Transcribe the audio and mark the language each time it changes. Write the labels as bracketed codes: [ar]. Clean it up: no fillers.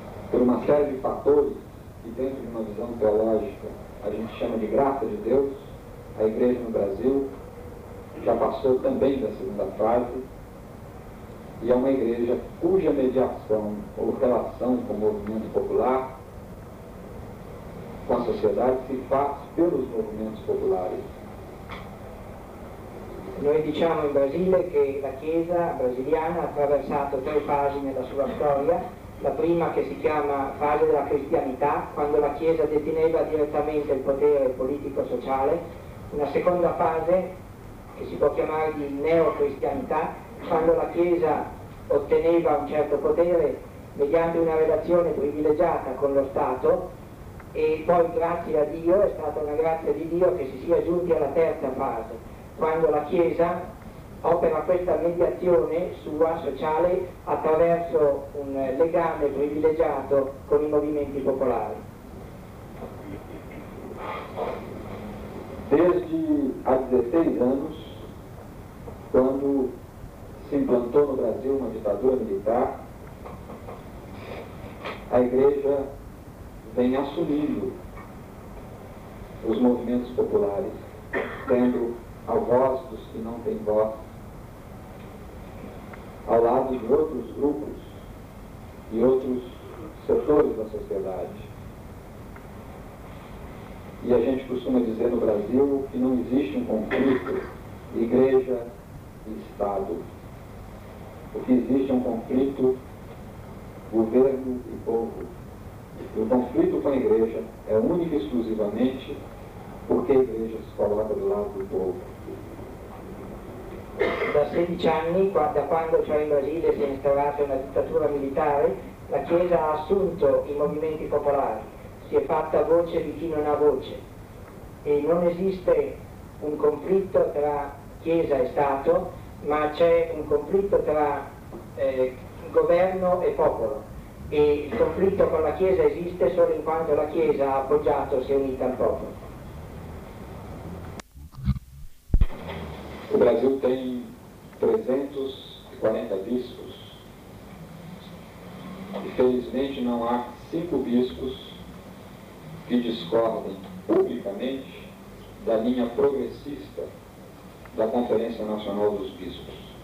[pt] Por uma série de fatores que dentro de uma visão teológica a gente chama de graça de Deus, a igreja no Brasil já passou também da segunda fase e é uma igreja cuja mediação ou relação com o movimento popular, com a sociedade, se faz pelos movimentos populares. [it] Noi diciamo in Brasile che la Chiesa brasiliana ha attraversato tre fasi nella sua storia. La prima, che si chiama fase della cristianità, quando la Chiesa deteneva direttamente il potere politico-sociale. Una seconda fase, che si può chiamare di neocristianità, quando la Chiesa otteneva un certo potere mediante una relazione privilegiata con lo Stato. E poi, grazie a Dio, è stata una grazia di Dio che si sia giunti alla terza fase, quando la Chiesa opera questa mediazione sua sociale attraverso un legame privilegiato con i movimenti popolari. [pt] Desde a 16 anos, quando si implantou no Brasil uma ditadura militar, a Igreja vem assumindo os movimentos populares, tendo a voz dos que não têm voz, ao lado de outros grupos e outros setores da sociedade. E a gente costuma dizer no Brasil que não existe um conflito igreja e Estado. O que existe é um conflito governo e povo. E o conflito com a igreja é único e exclusivamente porque a igreja se coloca do lado do povo. [it] Da 16 anni, da quando cioè in Brasile si è instaurata una dittatura militare, la Chiesa ha assunto i movimenti popolari, si è fatta voce di chi non ha voce e non esiste un conflitto tra Chiesa e Stato, ma c'è un conflitto tra governo e popolo, e il conflitto con la Chiesa esiste solo in quanto la Chiesa ha appoggiato e si è unita al popolo. [pt] O Brasil tem 340 bispos e, felizmente, não há 5 bispos que discordem publicamente da linha progressista da Conferência Nacional dos Bispos.